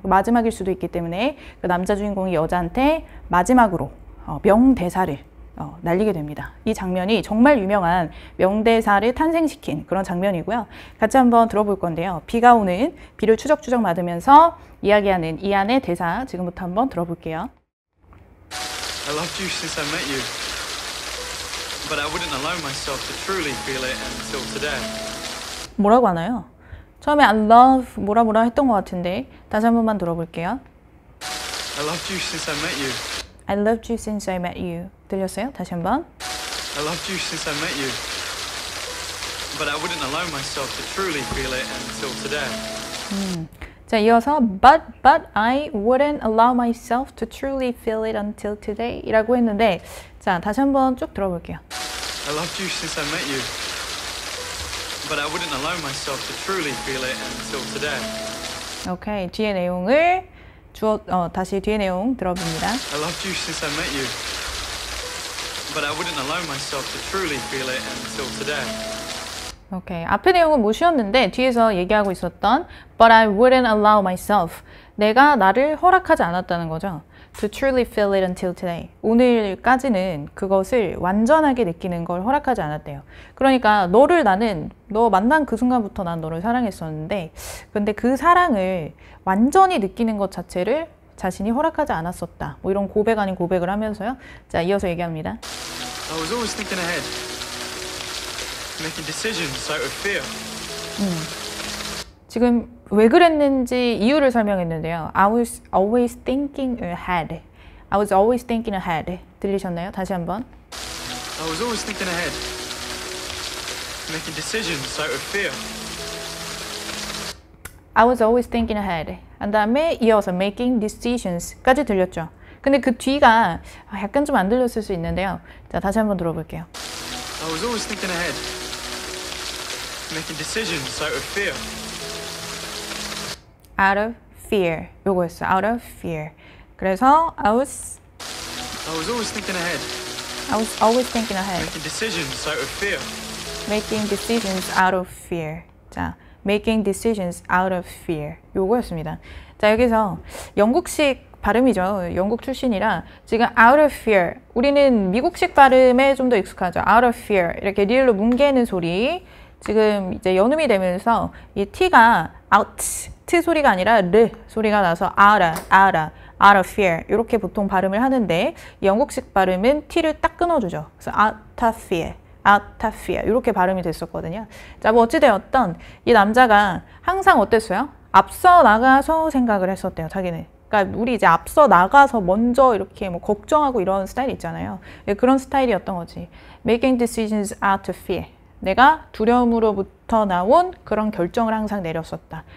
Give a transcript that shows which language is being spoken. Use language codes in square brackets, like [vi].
[ko] 마지막일 수도 있기 때문에 그 남자 주인공이 여자한테 마지막으로 명대사를 날리게 됩니다. 이 장면이 정말 유명한 명대사를 탄생시킨 그런 장면이고요. 같이 한번 들어볼 건데요. 비가 오는 비를 추적추적 맞으면서 이야기하는 이안의 대사 지금부터 한번 들어볼게요. [en] I loved you since I met you. But I wouldn't allow myself to truly feel it until today. [ko] 뭐라고 하나요? 처음에 [en] I love [ko] 뭐라 뭐라 했던 것 같은데 다시 한 번만 들어볼게요. [en] I loved you since I met you. I loved you since I met you. [ko] 들렸어요? 다시 한 번. [en] I loved you since I met you. But I wouldn't allow myself to truly feel it until today. [ko] 자, 이어서 [en] but I wouldn't allow myself to truly feel it until today [ko] 이라고 했는데 자, 다시 한번 쭉 들어볼게요. [en] I loved you since I met you. But I wouldn't allow myself to truly feel it until today. [ko] 오케이, 뒤에 내용을 다시 뒤에 내용 들어봅니다. [en] I loved you since I met you. But I wouldn't allow myself to truly feel it until today. [ko] 오케이. 앞에 내용은 무엇이었는데 뒤에서 얘기하고 있었던 [en] But I wouldn't allow myself. [ko] 내가 나를 허락하지 않았다는 거죠. [en] To truly feel it until today. [ko] 오늘까지는 그것을 완전하게 느끼는 걸 허락하지 않았대요. 그러니까 너를 나는 너 만난 그 순간부터 난 너를 사랑했었는데 근데 그 사랑을 완전히 느끼는 것 자체를 자신이 허락하지 않았었다. 뭐 이런 고백 아닌 고백을 하면서요. 자, 이어서 얘기합니다. [en] I was always thinking ahead. Making decisions out of fear. [ko] 지금 왜 그랬는지 이유를 설명했는데요. [en] I was always thinking ahead. I was always thinking ahead. [ko] 들리셨나요? 다시 한번. [en] I was always thinking ahead. Making decisions out of fear. I was always thinking ahead. [ko] 한 다음에 이어서 [en] making decisions [ko] 까지 들렸죠. 근데 그 뒤가 약간 좀 안 들렸을 수 있는데요. 자, 다시 한번 들어볼게요. [en] I was always thinking ahead. Making decisions out of fear. Out of fear. [ko] 요거였어. [en] Out of fear. [ko] 그래서 [en] I was always thinking ahead. I was always thinking ahead. Making decisions out of fear. Making decisions out of fear. [ko] 자, [en] making decisions out of fear. [ko] 요거였습니다. 자, 여기서 영국식 발음이죠. 영국 출신이라 지금 [en] out of fear. [ko] 우리는 미국식 발음에 좀 더 익숙하죠. [en] Out of fear. [ko] 이렇게 리을로 뭉개는 소리. 지금 이제 연음이 되면서 이 T가 [en] out. [ko] 소리가 아니라 르 소리가 나서 아라 아라 [en] out of fear [ko] 이렇게 보통 발음을 하는데 영국식 발음은 T를 딱 끊어주죠. 그래서 [en] out of fear, out of fear [ko] 이렇게 발음이 됐었거든요. 자, 뭐 어찌되었던 이 남자가 항상 어땠어요? 앞서 나가서 생각을 했었대요, 자기는. 그러니까 우리 이제 앞서 나가서 먼저 이렇게 뭐 걱정하고 이런 스타일 있잖아요. 그런 스타일이었던 거지. [en] Making decisions out of fear. [ko] 내가 두려움으로부터 나온 그런 결정을 항상 내렸었다.